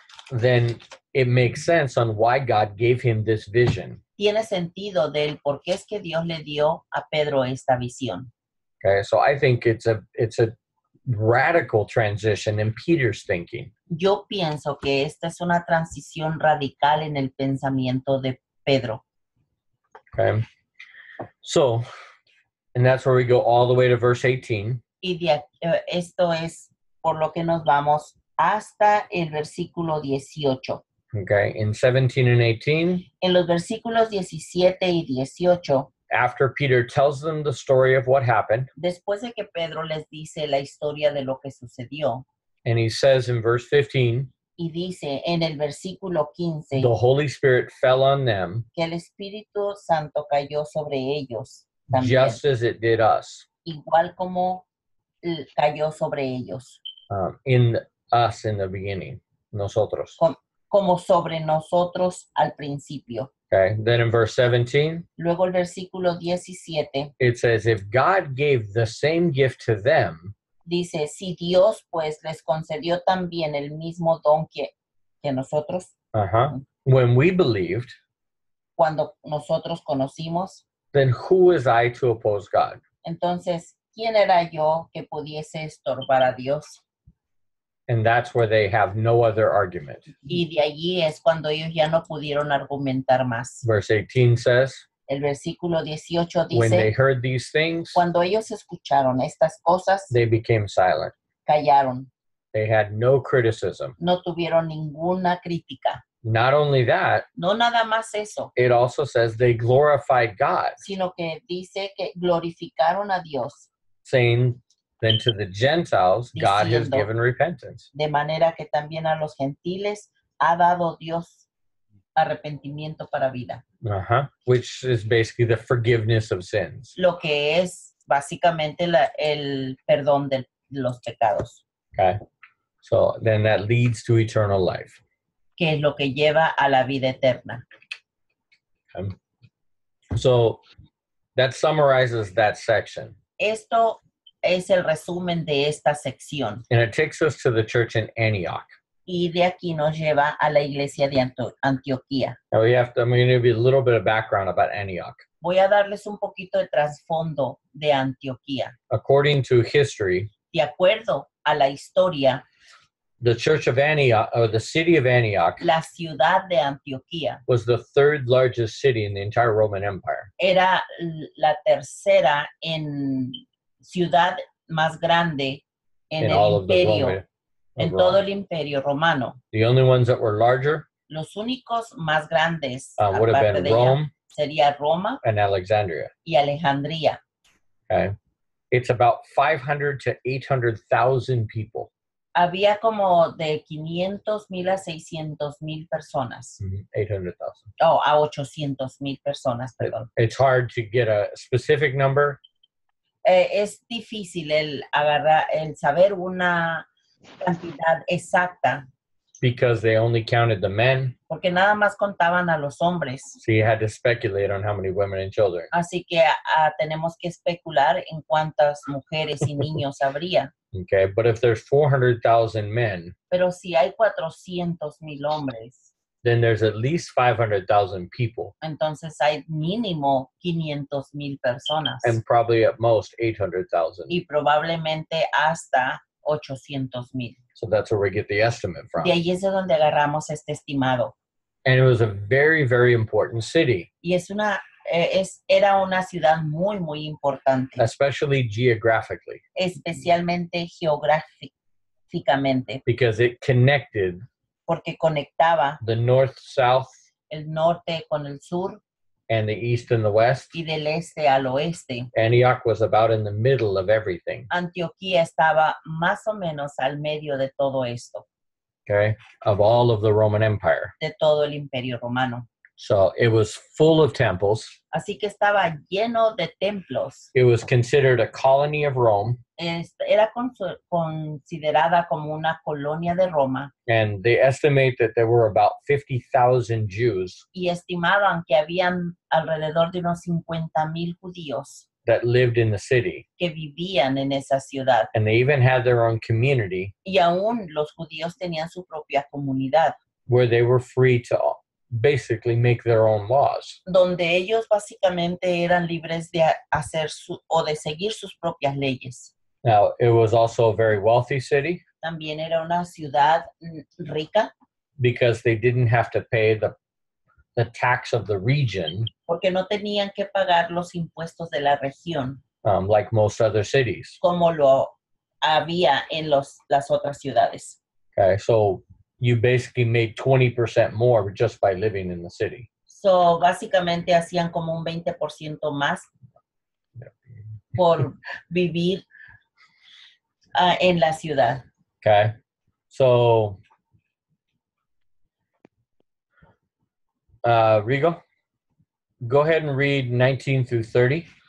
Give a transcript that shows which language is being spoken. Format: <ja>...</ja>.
<en>Then it makes sense on why God gave him this vision.</en> <es>Tiene sentido del por qué es que Dios le dio a Pedro esta visión.</es> <en>Okay, so I think it's a radical transition in Peter's thinking.</en> <es>Yo pienso que esta es una transición radical en el pensamiento de Pedro.</es> <en>Okay, so, and that's where we go all the way to verse 18.</en> <es>y de, esto es por lo que nos vamos hasta el versículo 18.</es> <en>Okay, in 17 and 18.</en> <es>En los versículos 17 y 18.</es> <en>After Peter tells them the story of what happened.</en> <es>Después de que Pedro les dice la historia de lo que sucedió.</es> <en>And he says in verse 15.</en> <es>Y dice en el versículo 15.</es> <en>The Holy Spirit fell on them.</en> <es>Que el Espíritu Santo cayó sobre ellos. También,</es> <en>just as it did us.</en> <es>Igual como cayó sobre ellos.</es> <en>In us in the beginning.</en> <es>Nosotros. Como sobre nosotros al principio.</es> <en>Okay, then in verse 17.</en> <es>Luego el versículo 17.</es> <en>It says, if God gave the same gift to them.</en> <es>Dice, si Dios pues les concedió también el mismo don que nosotros.</es> <en>Uh-huh. When we believed.</en> <es>Cuando nosotros conocimos.</es> <en>Then who is I to oppose God?</en> <es>Entonces, ¿quién era yo que pudiese estorbar a Dios?</es> <en>And that's where they have no other argument.</en> <es>Y de allí es cuando ellos ya no pudieron argumentar más.</es> <en>Verse 18 says.</en> <es>El versículo 18 dice.</es> <en>When they heard these things.</en> <es>Cuando ellos escucharon estas cosas.</es> <en>They became silent.</en> <es>Callaron.</es> <en>They had no criticism.</en> <es>No tuvieron ninguna crítica.</es> <en>Not only that.</en> <es>No nada más eso.</es> <en>It also says they glorified God.</en> <es>Sino que dice que glorificaron a Dios.</es> <en>Saying. Then to the Gentiles,</en> <es>diciendo,</es> <en>God has given repentance.</en> <es>De manera que también a los gentiles ha dado Dios arrepentimiento para vida.</es> <en>Uh-huh. Which is basically the forgiveness of sins.</en> <es>Lo que es básicamente la, el perdón de los pecados.</es> <en>Okay. So then that leads to eternal life.</en> <es>Que es lo que lleva a la vida eterna.</es> <en>Okay. So that summarizes that section.</en> <es>Esto es el resumen de esta sección.</es> <en>And it takes us to the church in Antioch.</en> <es>Y de aquí nos lleva a la iglesia de Antioquía.</es> <en>Now we have to, I'm going to give you a little bit of background about Antioch.</en> <es>Voy a darles un poquito de trasfondo de Antioquía.</es> <en>According to history.</en> <es>De acuerdo a la historia.</es> <en>The church of Antioch, or the city of Antioch.</en> <es>La ciudad de Antioquía.</es> <en>Was the third largest city in the entire Roman Empire.</en> <es>Era la tercera en ciudad más grande en el imperio, en todo el imperio romano.</es> <en>The only ones that were larger,</en> <es>los únicos más grandes</es> <en>would have been Rome,</en> <es>sería Roma</es> <en>and Alexandria.</en> <es>Y Alejandría.</es> <en>Okay. It's about 500 to 800,000 people.</en> <es>Había como de 500,000 a 600,000 personas. Mm-hmm. 800,000. Oh, a 800,000 personas, perdón.</es> <en>It's hard to get a specific number.</en> <es>Es difícil el agarrar, el saber una cantidad exacta.</es> <en>Because they only counted the men.</en> <es>Porque nada más contaban a los hombres.</es> <en>So you had to speculate on how many women and children.</en> <es>Así que tenemos que especular en cuántas mujeres y niños habría.</es> <en>Okay, but if there's 400,000 men.</en> <es>Pero si hay 400,000 hombres.</es> <en>Then there's at least 500,000 people.</en> <es>Entonces hay mínimo 500,000 personas.</es> <en>And probably at most 800,000.</en> <es>Y probablemente hasta 800,000.</es> <en>So that's where we get the estimate from.</en> <es>De ahí es de donde agarramos este estimado.</es> <en>And it was a very, very important city.</en> <es>Y es una, es, era una ciudad muy, muy importante.</es> <en>Especially geographically.</en> <es>Especialmente geográficamente.</es> <en>Because it connected.</en> <es>Porque conectaba</es> <en>the north, south,</en> <es>el norte con el sur,</es> <en>and the east and the west.</en> <es>Y del este al oeste.</es> <en>Antioch was about in the middle of everything.</en> <es>Antioquía estaba más o menos al medio de todo esto.</es> <en>Okay, of all of the Roman Empire.</en> <es>De todo el Imperio Romano.</es> <en>So it was full of temples.</en> <es>Así que estaba lleno de templos.</es> <en>It was considered a colony of Rome.</en> <es>Era considerada como una colonia de Roma.</es> <en>And they estimate that there were about 50,000 Jews.</en> <es>Y estimaban que habían alrededor de unos 50,000 judíos.</es> <en>That lived in the city.</en> <es>Que vivían en esa ciudad.</es> <en>And they even had their own community.</en> <es>Y aún los judíos tenían su propia comunidad.</es> <en>Where they were free to basically make their own laws.</en> <es>Donde ellos básicamente eran libres de hacer su, o de seguir sus propias leyes.</es> <en>Now, it was also a very wealthy city.</en> <es>También era una ciudad rica.</es> <en>Because they didn't have to pay the tax of the region.</en> <es>Porque no tenían que pagar los impuestos de la región.</es> <en>like most other cities.</en> <es>Como lo había en las otras ciudades.</es> <en>Okay, so you basically made 20% more just by living in the city.</en> <es>So, básicamente hacían como un 20% más por vivir en la ciudad.</es> <en>Okay, so... Rigo, go ahead and read 19 through 30.</en>